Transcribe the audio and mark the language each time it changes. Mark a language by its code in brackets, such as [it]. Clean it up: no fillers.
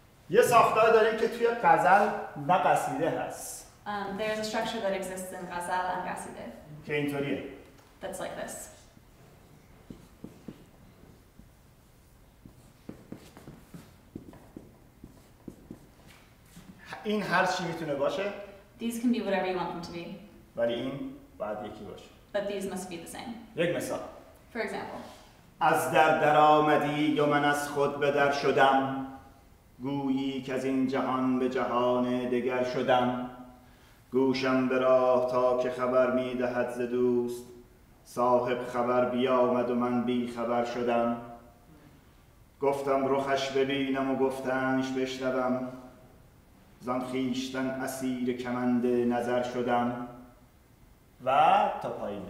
[fa] یه ساختار داریم که توی غزل و قصیده هست. [en] There is a structure that exists in Ghazal and Qaside. Che in teoria. That's like this. [fa] این هر چی میتونه باشه. [en] These can be whatever you want them to be. [fa] ولی این باید یکی باشه. [en] But these must be the same. [fa] یک مثال. [en] For example. [fa] از در در آمدی یا من از خود به در شدم گویی که از این جهان به جهان دگر شدم گوشم به راه تا که خبر می دهد ز دوست صاحب خبر بیامد و من بی خبر شدم گفتم رخش ببینم و گفتنش بشنوم زان خویشتن اسیر کمند نظر شدم و تا پایین